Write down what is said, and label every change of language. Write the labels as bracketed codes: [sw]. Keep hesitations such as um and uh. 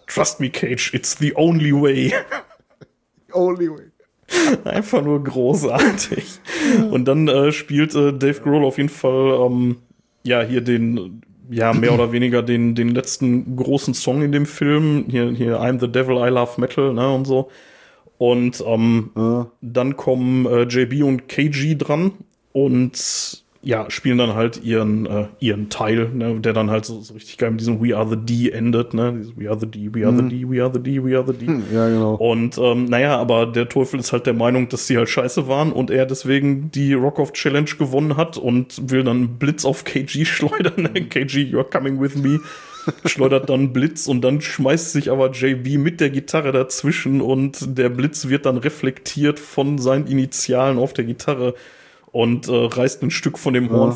[en] Trust me, Cage, it's the only way. Only way. [de] Einfach nur großartig. Und dann äh, spielt äh, Dave Grohl auf jeden Fall, ähm, ja, hier den, ja, mehr oder weniger den, den letzten großen Song in dem Film. Hier, hier, [en] I'm the Devil, I Love Metal, [de] ne, und so. Und ähm, Ja. dann kommen äh, JB und KG dran und ja, spielen dann halt ihren, äh, ihren Teil, ne, der dann halt so, so richtig geil mit diesem We Are the D endet, ne? Dieses [en] We are the D, we are the D, we are the D, we are the D. [de] ja, genau. Und ähm, naja, aber der Teufel ist halt der Meinung, dass die halt scheiße waren und er deswegen die Rockoff Challenge gewonnen hat und will dann einen Blitz auf KG schleudern. [en] KG, you're coming with me. [de] Schleudert dann einen Blitz und dann schmeißt sich aber JB mit der Gitarre dazwischen und der Blitz wird dann reflektiert von seinen Initialen auf der Gitarre und äh, reißt ein Stück von dem Horn